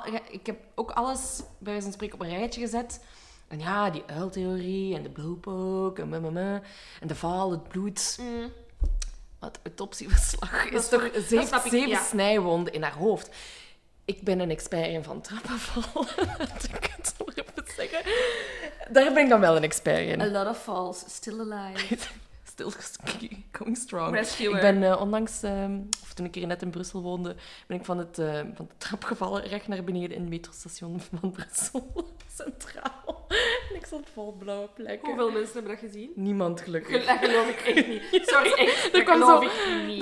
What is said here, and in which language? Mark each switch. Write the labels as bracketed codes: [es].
[nl] Ik heb ook alles bij wijze van spreken op een rijtje gezet. En ja, die uiltheorie en de blowpoke en en de val, het bloed. Maar het autopsieverslag is toch... Zeven snijwonden in haar hoofd. Ik ben een expert in van trappenvallen. Ik het zo even zeggen. Daar ben ik dan wel een expert in. [en] A lot of falls, still alive. Still going strong. Rescuer. [nl] Ik ben ondanks, of toen ik hier net in Brussel woonde, ben ik van de trap gevallen recht naar beneden in het metrostation van Brussel Centraal. En ik zat vol blauwe plekken. Hoeveel mensen hebben dat gezien? Niemand, gelukkig. Dat geloof ik echt niet. Sorry, echt. Dat geloof ik niet.